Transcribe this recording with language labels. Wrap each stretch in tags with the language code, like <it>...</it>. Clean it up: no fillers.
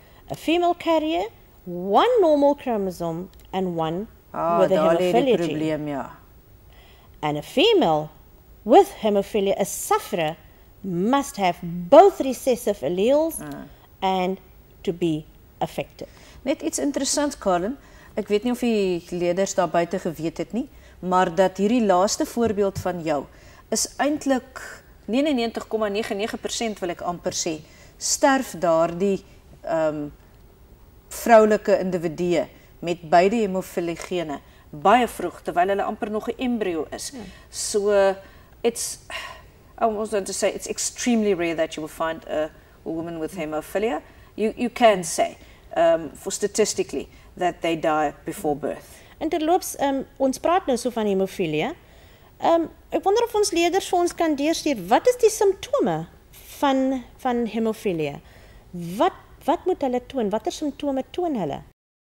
<en>A female carrier, one normal chromosome and one with a haemophilia</en> <af>probleem, ja.</af> <en>And a female with haemophilia, a sufferer, must have both recessive alleles and to be affected.</en> <af>Net iets interessants, Colin. Ek weet nie of die leerders daar buiten geweet het nie, maar dat hierdie laaste voorbeeld van jou is eintlik 99,99% wil ek amper sê, sterf daar die vroulike individue met beide hemofiligene baie vroeg, terwyl hulle amper nog 'n embryo is.</af> <en>So, it's extremely rare that you will find a woman with hemophilia. You can say, for statistically, that they die before birth.</en> <af>En terloops, ons praat nou so van hemophilia. Ek wonder of ons leerders vir ons kan deurstuur, wat is die simptome van hemophilia? Wat moet hulle toon? Watter simptome toon hulle?</af>